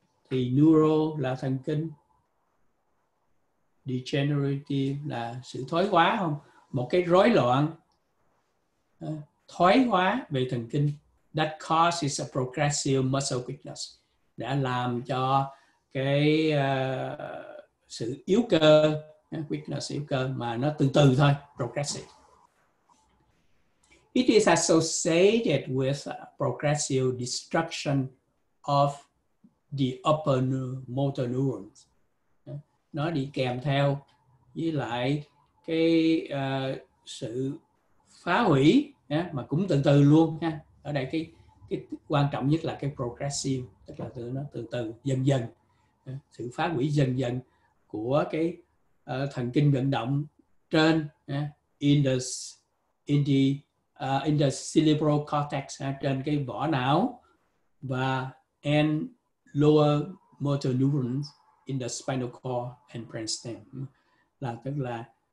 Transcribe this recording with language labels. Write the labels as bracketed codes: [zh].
[vi] Thì neuro là thần kinh, degenerative là sự thoái hóa, không, một cái rối loạn thoái hóa về thần kinh. [en] That causes a progressive muscle weakness, [vi] đã làm cho cái sự yếu cơ, weakness yếu cơ, mà nó từ từ thôi, progressive. [en] It is associated with progressive destruction of the upper motor neurons. [vi] Nó đi kèm theo với lại cái sự phá hủy, mà cũng từ từ luôn ha. Ở đây cái quan trọng nhất là cái progressive, tức là từ nó từ từ dần dần, sự phá hủy dần dần của cái thần kinh vận động trên [en] in the cerebral cortex, [vi] trên cái vỏ não, và [en] and lower motor neurons in the spinal cord and brainstem, [vi] là tức là